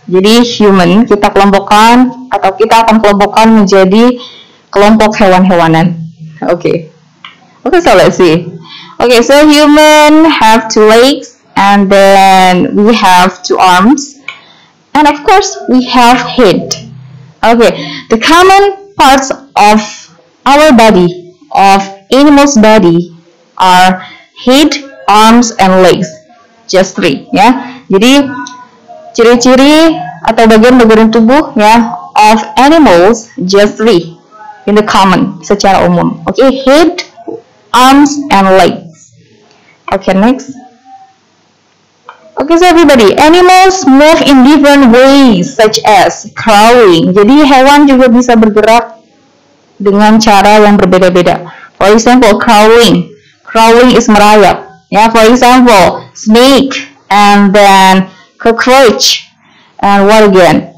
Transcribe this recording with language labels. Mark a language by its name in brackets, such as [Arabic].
[Indonesian] Jadi human kita kelompokkan atau kita akan kelompokkan menjadi kelompok hewan-hewanan. [English] Okay. Okay, so let's see. Okay, so human have two legs and then we have two arms. And of course, we have head. Okay, the common parts of our body, of animal's body, are head, arms, and legs. Just three, [Indonesian] ya. Jadi, ciri-ciri atau bagian-bagian tubuh, ya, [English] of animals, just three. In the common, [Indonesian] secara umum. [English] Okay, head, arms, and legs. Okay, next. Okay, so everybody, animals move in different ways, such as crawling. [Indonesian] Jadi, hewan juga bisa bergerak dengan cara yang berbeda-beda. [English] For example, crawling. Crawling is merayap. Yeah, for example, snake, and then cockroach, and what again?